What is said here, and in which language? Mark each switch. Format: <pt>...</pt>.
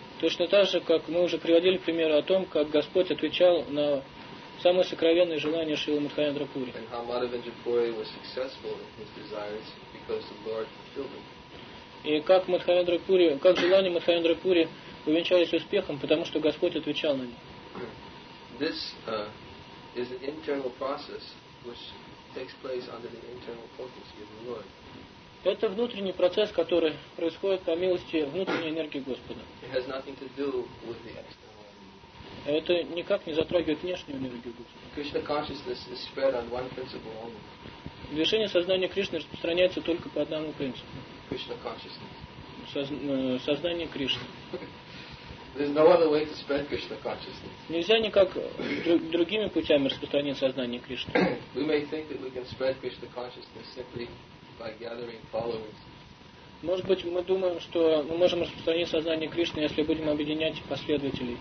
<ru>Точно так же, как мы уже приводили примеры о том, как Господь отвечал на самые сокровенные желания Шрилы Мадхавендрапури.</ru> <en>And how Madhavendrapuri was successful in his desires.</en> <ru>И как желания Мадхавендра Пури увенчались успехом, потому что Господь отвечал на них.</ru> <en>This is an internal process which takes place under the internal potency of the Lord.</en> <ru>Это внутренний процесс, который происходит по милости внутренней энергии Господа.</ru> <en>It has nothing to do with the external.</en> <ru>Это никак не затрагивает внешнюю энергию Господа.</ru> <en>Krishna consciousness is spread on one principle only.</en> <ru>Движение сознания Кришны распространяется только по одному принципу.</ru> <en>Krishna consciousness.</en> <ru>Сознание Кришны.</ru> <en>There's no other way to spread Krishna consciousness.</en> <ru>Нельзя никак другими путями распространить сознание Кришны.</ru> <en>We may think that we can spread Krishna consciousness simply by gathering followers.</en> <ru>Может быть, мы думаем, что мы можем распространить сознание Кришны, если будем объединять последователей.</ru>